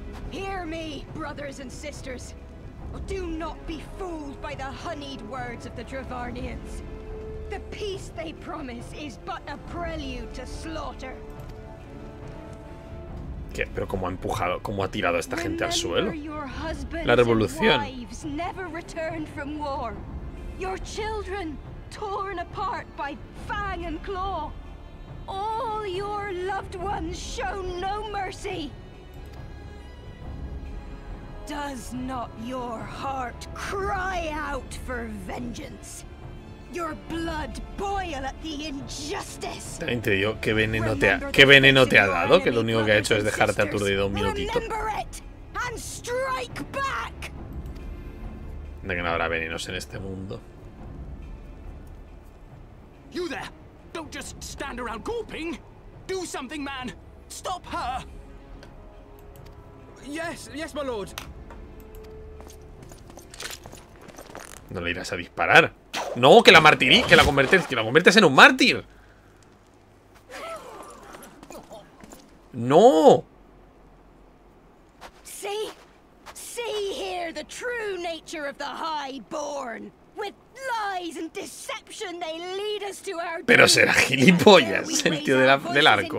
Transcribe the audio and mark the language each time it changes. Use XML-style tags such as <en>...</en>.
<en>Hear me, brothers and sisters. Do not be fooled by the honeyed words of the Dravarnians. The peace they promise is but a prelude to slaughter.</en> <es>¿Qué? Pero cómo ha empujado, cómo ha tirado a esta gente al suelo. La revolución.</es> <en>Wives never returned from war. Your children torn apart by fang and claw. All your loved ones show no mercy. Does not your heart cry out for vengeance? Your blood boil at the injustice.</en> <es>También te digo, qué veneno te ha dado, que lo único que ha hecho es dejarte aturdido un minutito. De que no habrá venenos en este mundo.</es> <en>You there. Don't just stand around gawping. Do something, man. Stop her. Yes, yes, my lord.</en> <es>No le irás a disparar. No, que la martirí, que la conviertes en un mártir. No.</es> <en>See, see here the true nature of the highborn. With lies and deception they lead us to our</en> <es>Pero será gilipollas el tío del arco.</es>